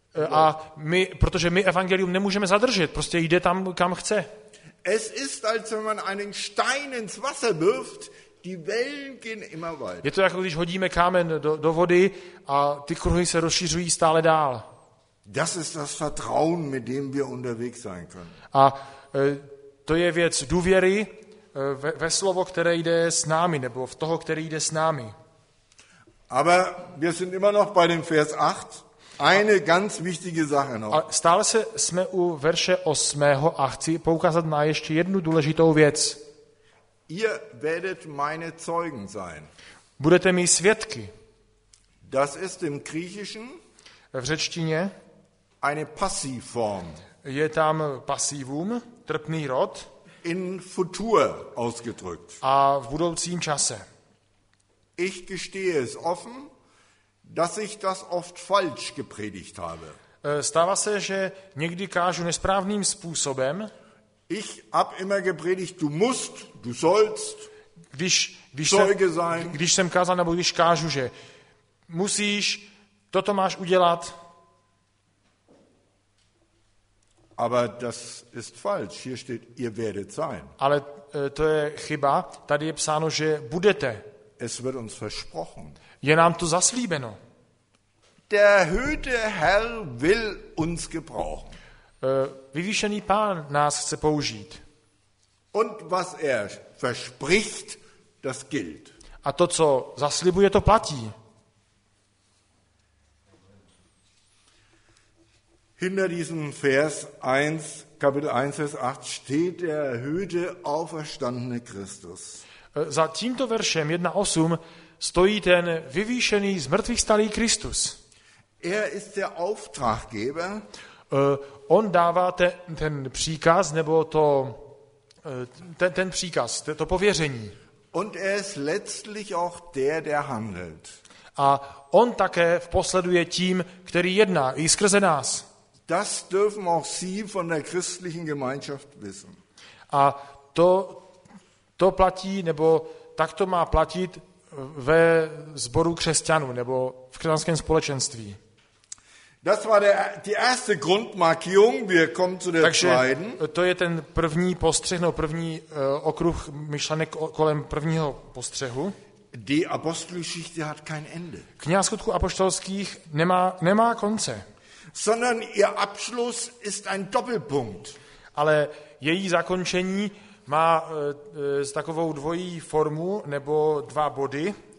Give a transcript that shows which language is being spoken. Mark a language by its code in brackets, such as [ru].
[cs] A my, protože my evangelium nemůžeme zadržet, prostě jde tam, kam chce. [de] Es ist, als wenn man einen Stein ins Wasser wirft, die Wellen gehen immer weiter. [cs] Je to jako když hodíme kámen do vody a ty kruhy se rozšiřují stále dál. [de] Das ist das Vertrauen, mit dem wir unterwegs sein können. [cs] A to je věc důvěry ve slovo, které jde s námi, nebo v toho, který jde s námi. [de] Aber wir sind immer noch bei dem Vers 8. Eine ganz wichtige Sache noch. [cs] Stále se jsme u verše 8. a chci poukázat na ještě jednu důležitou věc. [de] Ihr werdet meine Zeugen sein. [cs] Budete mi svědky. [de] Das ist im Griechischen [cs] v řečtině [de] eine Passivform. [cs] Je tam passivum, trpný rod. [de] In futur ausgedrückt. [cs] A v budoucím čase. [de] Ich gestehe es offen, dass ich das oft falsch gepredigt habe. [cs] Stává se, že někdy kážu nesprávným způsobem. [de] Ich hab immer gepredigt, du musst, du sollst. [cs] Když jsem kázal, nebo když kážu, že musíš, toto máš udělat. [de] Aber das ist falsch. Hier steht, ihr werdet sein. [cs] Ale to je chyba. Tady je psáno, že budete. [de] Es wird uns versprochen. [cs] Je nám to zaslíbeno. [de] Der erhöhte Herr will uns gebrauchen. [cs] Vyvýšený Pán nás chce použít. [de] Und was er verspricht, das gilt. [cs] A to, co zaslibuje, to platí. [de] Hinter diesem Vers 1, Kapitel 1, Vers 8 steht der erhöhte, auferstandene Christus. [cs] Za tímto veršem 1.8 stojí ten vyvýšený z mrtvých stalý Kristus. [de] Er ist der Auftraggeber. [cs] On dává ten příkaz, nebo to ten příkaz, to pověření. [de] Und er ist letztlich auch der handelt. [cs] A on také posleduje tím, který jedná i skrze nás. [de] Das dürfen auch Sie von der christlichen Gemeinschaft wissen. [cs] A to platí, nebo tak to má platit ve sboru křesťanů, nebo v křesťanském společenství. [de] Das war die erste Grundmarkierung, wir kommen zu der zweiten. [cs] Takže to je ten první postřeh, nebo první okruh myšlenek kolem prvního postřehu. [de] Die Apostelgeschichte hat kein Ende. [cs] Kniha skutků apoštolských nemá konce. [de] sondern ihr Abschluss ist ein Doppelpunkt. [cs] Ale její zakončení má s takovou dvojí formu nebo dva body.